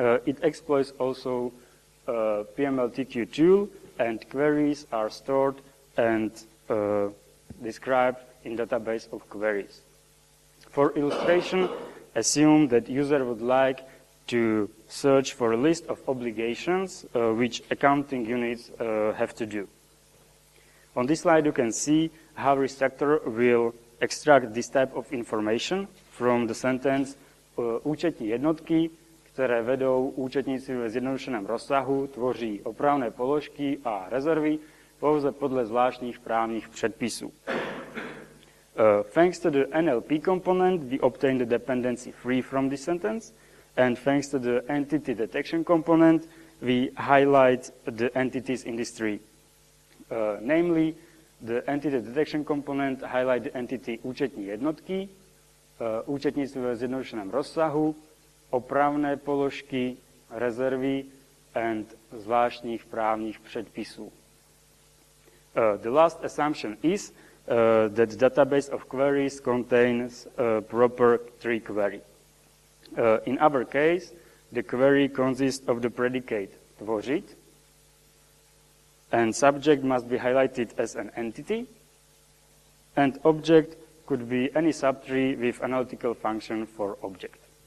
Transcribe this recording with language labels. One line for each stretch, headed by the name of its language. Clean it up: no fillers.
English: It exploits also PMLTQ tool, and queries are stored and described in database of queries. For illustration, assume that user would like to search for a list of obligations which accounting units have to do. On this slide, you can see how Restructor will extract this type of information from the sentence
Czech: účetní jednotky, které vedou účetnictví ve zjednodušeném rozsahu, tvoří opravné položky a rezervy pouze podle zvláštních právních předpisů.
English: Thanks to the NLP component, we obtain the dependency free from this sentence, And thanks to the entity detection component, we highlight the entities in this tree. Namely, the entity detection component highlights the entity
Czech: účetní jednotky, účetníctvo v zjednodušeném rozsahu, opravné položky, rezervy, and zvláštních právních předpisů.
English: The last assumption is that the database of queries contains a proper tree query. In our case, the query consists of the predicate tvořit, and subject must be highlighted as an entity, and object could be any subtree with analytical function for object.